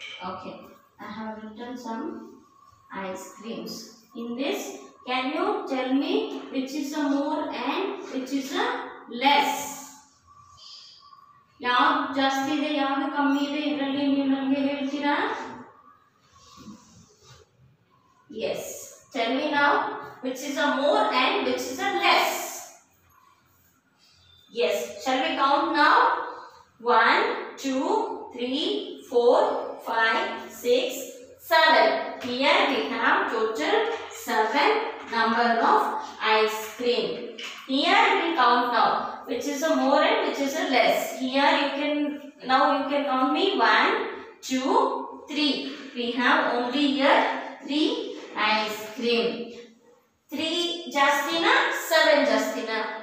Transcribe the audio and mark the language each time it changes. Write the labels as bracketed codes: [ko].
[en] Okay, I have written some ice creams. In this, can you tell me which is a more and which is a less? [kn] ಯಾವ್ ಜಾಸ್ತಿ ಇದೆ, ಯಾವ ಕಮ್ಮಿ ಇದೆ, ಇದರಲ್ಲಿ ನೀವು ನಮಗೆ ಹೇಳ್ತೀರಾ? [en] Yes, tell me now which is a more and which is a less. Yes, shall we count now? One, two, three, four, five, six, seven. Here we have total seven number of ice cream. Here we count now which is a more and which is a less. Here you can, now you can count me 1, 2, 3. We have only here 3 ice cream. [kn] 3 jasti na, 7 jasti na.